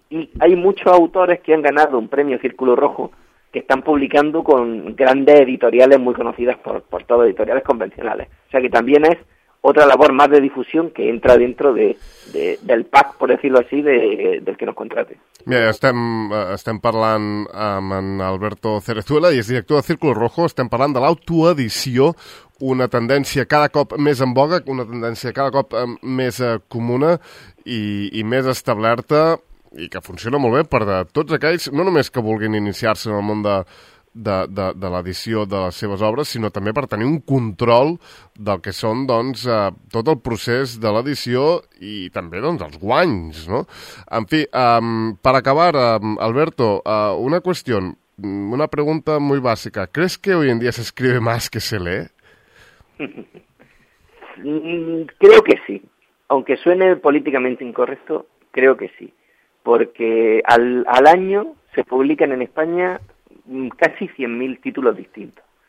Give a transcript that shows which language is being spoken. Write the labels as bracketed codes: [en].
[es] Y hay muchos autores que han ganado un premio Círculo Rojo que están publicando con grandes editoriales muy conocidas por todos, editoriales convencionales. O sea que también es otra labor más de difusión que entra dentro del pack, por decirlo así, del que nos contrate. [ca] Mira, estem parlant amb en Alberto Cerezuela i és director de Círculo Rojo. Estem parlant de l'autoedició, una tendència cada cop més en voga, una tendència cada cop més comuna i més establerta, i que funciona molt bé per a tots aquells, no només que vulguin iniciar-se en el món de l'edició de les seves obres, sinó també per tenir un control del que són, doncs, tot el procés de l'edició i també, doncs, els guanys, no? En fi, per acabar, Alberto, una qüestió, una pregunta molt bàsica. [es] ¿Crees que hoy en día se escribe más que se lee? Creo que sí. Aunque suene políticamente incorrecto, creo que sí. Porque al año se publican en España casi 100.000 títulos distintos.